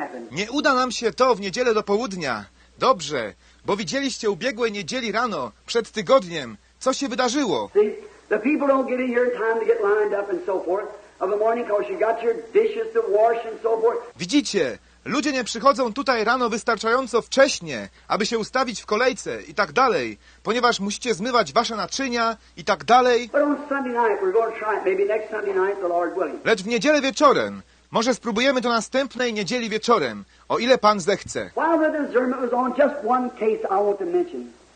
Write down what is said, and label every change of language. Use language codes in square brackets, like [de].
[pl] Nie uda nam się to w niedzielę do południa. Dobrze, bo widzieliście ubiegłej niedzieli rano, przed tygodniem, co się wydarzyło. [en] The people don't get in here in time to get lined up and so forth of the morning because you got your dishes to wash and so forth. [pl] Widzicie, ludzie nie przychodzą tutaj rano wystarczająco wcześnie, aby się ustawić w kolejce i tak dalej, ponieważ musicie zmywać wasze naczynia i tak dalej. [en] But on Sunday night we're going to try it, maybe next Sunday night, the Lord willing. [pl] Lecz w niedzielę wieczorem, może spróbujemy to następnej niedzieli wieczorem, o ile Pan zechce. [en] While the discernment was on, just one case I want to mention.